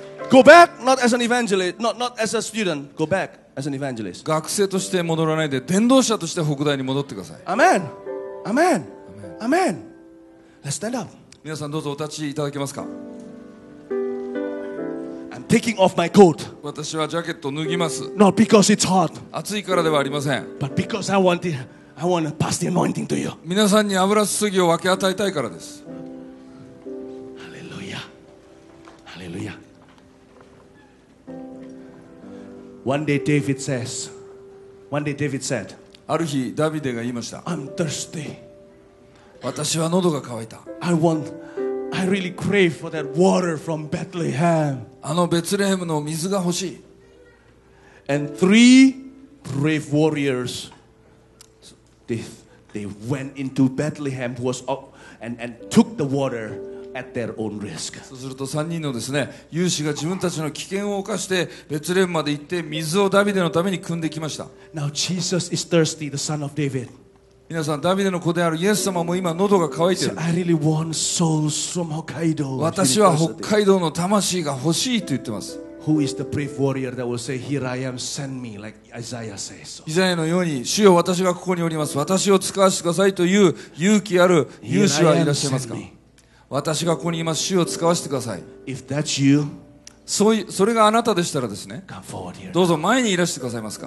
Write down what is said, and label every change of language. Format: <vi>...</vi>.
<en>Go back, not as an evangelist, not as a student. Go back as an evangelist.</en> <ja>学生として戻らないで伝道者として北大に戻ってください。</ja> <en>Amen. Amen. Amen. Let's stand up.</en> <ja>皆さんどうぞお立ちいただけますか。</ja> <en>Taking off my coat.</en> <ja>私はジャケットを脱ぎます。</ja> <en>Not because it's hot.</en> <ja>暑いからではありません。</ja> <en>But because I want to pass the anointing to you.</en> <ja>皆さんに油注ぎを分け与えたいからです。</ja> <en>Hallelujah. Hallelujah. One day David said.</en> <ja>ある日ダビデが言いました。</ja> <en>I'm thirsty.</en> <ja>私は喉が渇いた。</ja> <en>I really crave for that water from Bethlehem.</en> <ja>あのベツレヘムの水が欲しい。</ja> <en>And three brave warriors. They went into Bethlehem was up and took the water at their own risk.</en> <ja>そうすると3人のですね、勇士が自分たちの危険を冒してベツレヘムまで行って水をダビデのために汲んできました。</ja> <en>Now Jesus is thirsty, the son of David.</en> <ja>皆さん、ダビデの子であるイエス様も今喉が渇いている。</ja> <en>So I really want souls from Hokkaido.</en> <ja>私は北海道の魂が欲しいと言ってます。</ja> <en>Who is the brave warrior that will say, "Here I am, send me," like Isaiah says?</en> <ja>イザヤのように、主よ、私がここにおります。私を使わせてくださいという勇気ある勇士はいらっしゃいますか？私がここにいます。主を使わせてください。</ja> <en>If that's you,</en> <ja>それがあなたでしたらですね。</ja> <en>Come forward here.</en> <ja>どうぞ前にいらしてくださいますか。</ja>